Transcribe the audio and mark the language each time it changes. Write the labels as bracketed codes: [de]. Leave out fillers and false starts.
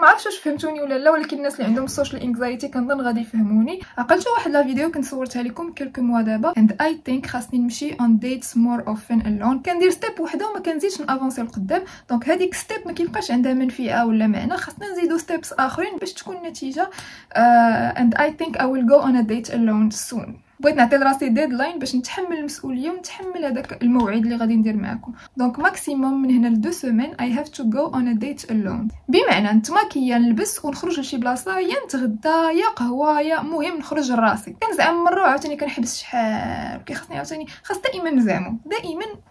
[ar] ما عرفتش واش فهمتوني ولا لا، ولكن الناس اللي عندهم سوشيال انكزايتي كنظن غادي يفهموني. عقلت واحد لا فيديو كنت صورتها لكم كلكو موا دابا، [en] and I think [ar] خاصني نمشي [en] On dates more often alone. [ar] كندير ستيب وحده وما كنزيدش نافونسي لقدام، دونك هذيك ستيب ما كيبقاش عندها منفعه ولا معنى، خاصني نزيدو ستيبس اخرين باش تكون النتيجه. [en] And I think I will go on a date alone soon. [ar] بغيت نعطي لراسي ديدلاين باش نتحمل المسؤوليه ونتحمل هذاك الموعد اللي غادي ندير معاكم. دونك ماكسيموم من هنا [fr] لدو سيمين [en] I have to go on a date alone، [ar] بمعنى نتماكيا نلبس ونخرج لشي بلاصه، يا نتغدى يا قهوه يا مهم نخرج لراسي. كنزعم مره عاوتاني كنحبس شحال، كيخصني عاوتاني خاص دائما نزعمو دائما.